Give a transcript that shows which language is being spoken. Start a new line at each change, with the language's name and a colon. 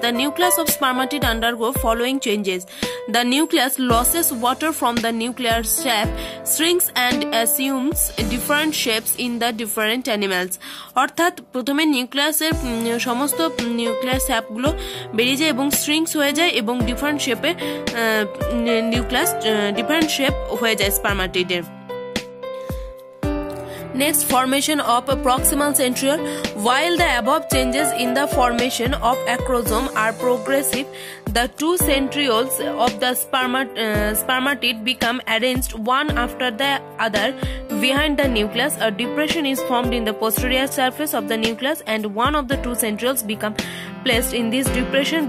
English: The nucleus of spermatid undergo following changes. The nucleus loses water from the nuclear sap, shrinks and assumes different shapes in the different animals.
Bangla: অর্থাৎ প্রথমে নিউক্লিয়াসের সমস্ত nuclear স্যাপগুলো বেরিয়ে যায় এবং শ্রিঙ্কস হয়ে যায় এবং ডিফারেন্ট শেপে নিউক্লিয়াস ডিফারেন্ট শেপ হয়ে যায় স্পার্মাটিডের।
English: Next, formation of a proximal centriole. While the above changes in the formation of acrosome are progressive, the two centrioles of the spermatid become arranged one after the other behind the nucleus. A depression is formed in the posterior surface of the nucleus and one of the two centrioles become placed in this depression.